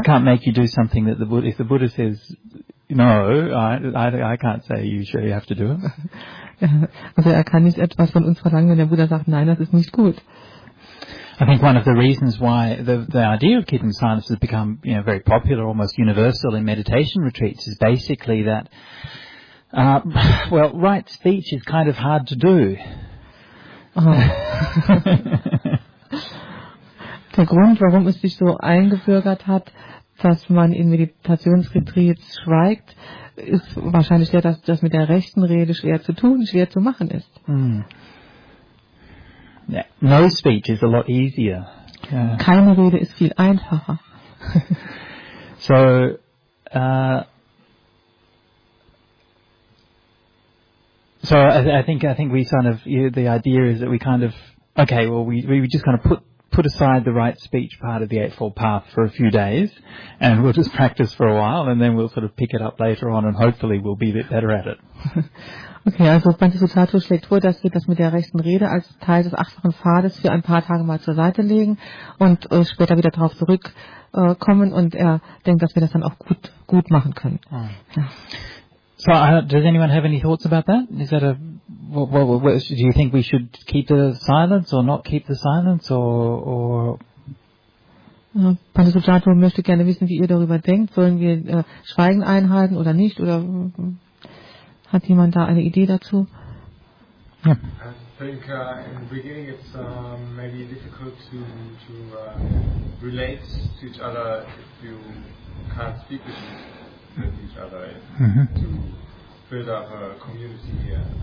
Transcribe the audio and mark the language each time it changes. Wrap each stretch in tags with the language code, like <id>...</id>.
<en>can't make you do something that the Buddha, if the Buddha says no, I can't say you sure you have to do it.</en> <de>Also er kann nicht etwas von uns verlangen, wenn der Buddha sagt nein, das ist nicht gut.</de> <en>I think one of the reasons why the idea of keeping silence has become, you know, very popular, almost universal in meditation retreats, is basically that right speech is kind of hard to do.</en> <de>Der Grund, warum es sich so eingebürgert hat, dass man in Meditationsretreats schweigt, ist wahrscheinlich der, dass das mit der rechten Rede schwer zu tun, schwer zu machen ist.</de> <en>Yeah. No speech is a lot easier.</en> <de>Yeah. Keine Rede ist viel einfacher.</de> <en>So, I think we kind of, the idea is that we kind of okay, well, we just kind of put aside the right speech part of the Eightfold Path for a few days, and we'll just practice for a while, and then we'll sort of pick it up later on, and hopefully we'll be a bit better at it.</en> <de>Okay, also Bantisutato schlägt vor, dass wir das mit der rechten Rede als Teil des achtfachen Pfades für ein paar Tage mal zur Seite legen und später wieder darauf zurückkommen, und er denkt, dass wir das dann auch gut machen können. Ja.</de> <en>So, does anyone have any thoughts about that? Is that a, do you think we should keep the silence or not keep the silence, or</en> <de>Bantisutato möchte gerne wissen, wie ihr darüber denkt. Sollen wir Schweigen einhalten oder nicht, oder hat jemand da eine Idee dazu? Ja.</de> <en>I think in the beginning it's maybe difficult to relate to each other if you can't speak with each other, to build up a community here.</en>